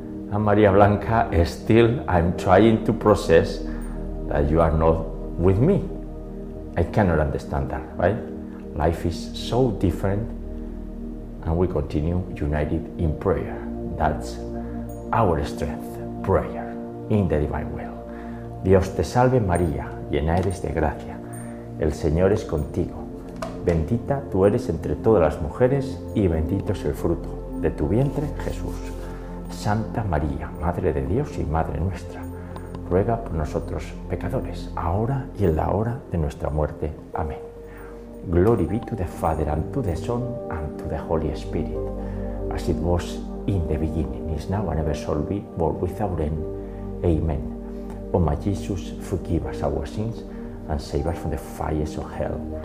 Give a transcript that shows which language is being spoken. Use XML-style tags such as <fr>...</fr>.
<en>And Maria Blanca, still I'm trying to process that you are not with me. I cannot understand that, right? Life is so different. And we continue united in prayer. That's our strength, prayer, in the divine will.</en> <es>Dios te salve, María, llena eres de gracia. El Señor es contigo. bendita tú eres entre todas las mujeres y bendito es el fruto de tu vientre, Jesús. Santa María, Madre de Dios y Madre nuestra, ruega por nosotros, pecadores, ahora y en la hora de nuestra muerte. Amén.</es> <en>Glory be to the Father, and to the Son, and to the Holy Spirit, as it was in the beginning, is now, and ever shall be, world without end. Amen. O my Jesus, forgive us our sins, and save us from the fires of hell.</en>